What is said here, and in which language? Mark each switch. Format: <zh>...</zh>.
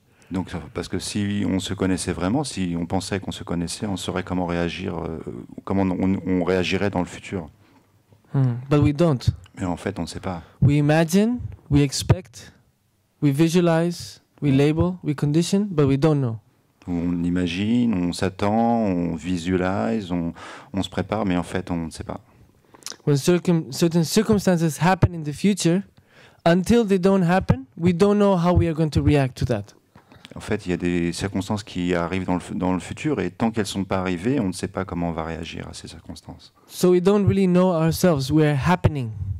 <fr>Donc parce que si on se connaissait vraiment, si on pensait qu'on se connaissait, on saurait comment réagir, comment on réagirait dans le futur.</fr> <en>But we don't.</en> <fr>Mais en fait, on ne sait pas.</fr> <en>We imagine, we expect, we visualize, we label, we condition, but we don't know.</en> <fr>On imagine, on s'attend, on visualise, on se prépare, mais en fait, on ne sait pas.</fr> <en>When certain circumstances happen in the future, until they don't happen, we don't know how we are going to react to that.</en> <fr>En fait, il y a des circonstances qui arrivent dans le futur et tant qu'elles ne sont pas arrivées, on ne sait pas comment on va réagir à ces circonstances.</fr> <en>So we don't really know ourselves, we are happening.</en>